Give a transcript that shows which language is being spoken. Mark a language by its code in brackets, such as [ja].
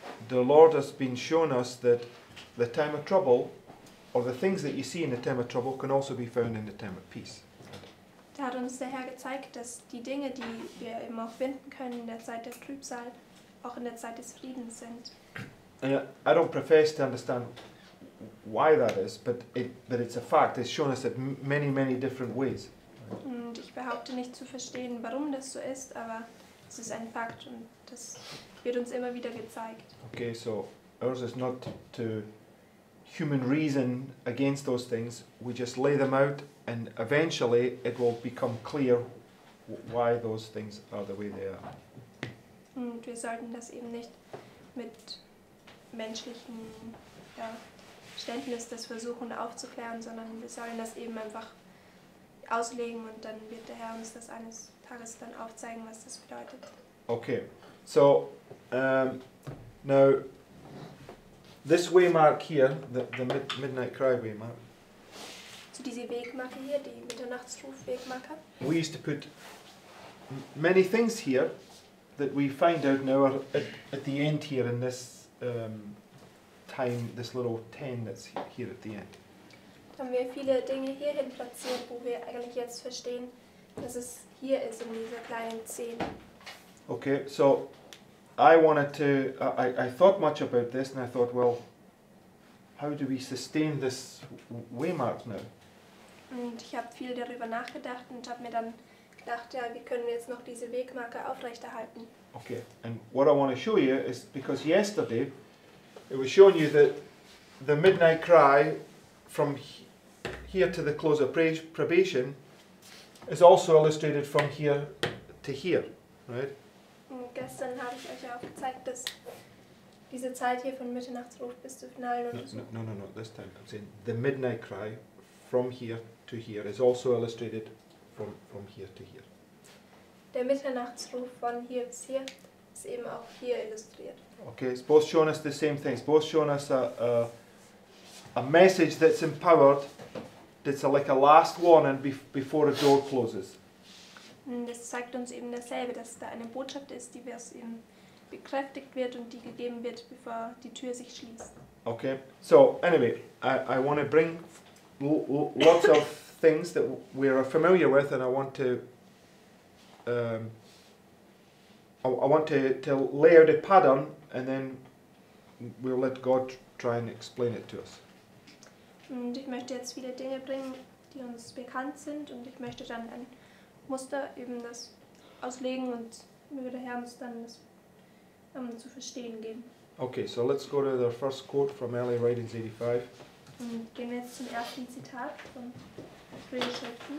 [en] the Lord has been showing us that the time of trouble, or the things that you see in the time of trouble, can also be found in the time of peace. [de] Da hat uns der Herr gezeigt, dass die Dinge, die wir eben auch finden können in der Zeit der Trübsal, auch in der Zeit des Friedens sind. [en] I don't profess to understand why that is, but it's a fact. It's shown us in many, many different ways. [de] Und ich behaupte nicht zu verstehen, warum das so ist, aber es ist ein Fakt und das wird uns immer wieder gezeigt. [en] Okay, so ours is not to human reason against those things. We just lay them out and eventually it will become clear why those things are the way they are. [de] Und wir sollten das eben nicht mit menschlichen Verständnis das versuchen aufzuklären, sondern wir sollen das eben einfach auslegen und dann wird der Herr uns das eines Tages dann aufzeigen, was das bedeutet. [en] Okay, so now this waymark here, the midnight cry waymark. [de] So diese Wegmarke hier, die Mitternachtsruf-Wegmarke. [en] We used to put many things here that we find out now are at the end here in this time, this little 10 that's here at the end. [de] Dann wir viele Dinge hierhin platziert, wo wir eigentlich jetzt verstehen, dass es hier ist in dieser kleinen 10. [en] Okay, so I thought much about this and I thought, well, how do we sustain this waymark now? [de] Und ich habe viel darüber nachgedacht und habe mir dann gedacht, ja, wie können wir jetzt noch diese Wegmarke aufrechterhalten? [en] Okay, and what I want to show you is because yesterday it was showing you that the midnight cry from here to the close of probation is also illustrated from here to here, right? [de] Und gestern habe ich euch auch gezeigt, dass diese Zeit hier von Mitternachtsruf bis zu Finale und so. [en] No, this time I'm saying the midnight cry from here to here is also illustrated from here to here. [de] Der Mitternachtsruf von hier bis hier ist eben auch hier illustriert. [en] Okay, it's both showing us the same things. Both showing us a message that's empowered, that's like a last warning before the door closes. [de] Das zeigt uns eben dasselbe, dass da eine Botschaft ist, die wir es eben bekräftigt wird und die gegeben wird, bevor die Tür sich schließt. [en] Okay, so anyway, I want to bring lots of things that we are familiar with, and I want to layer the pattern, and then we'll let God try and explain it to us. [de] Und ich möchte jetzt viele Dinge bringen, die uns bekannt sind, und ich möchte dann ein Muster eben das auslegen und möge der Herr uns dann das zu verstehen geben. [en] Okay, so let's go to the first quote from LA Writings 85. [de] Und gehen wir jetzt zum ersten Zitat von Tribulation.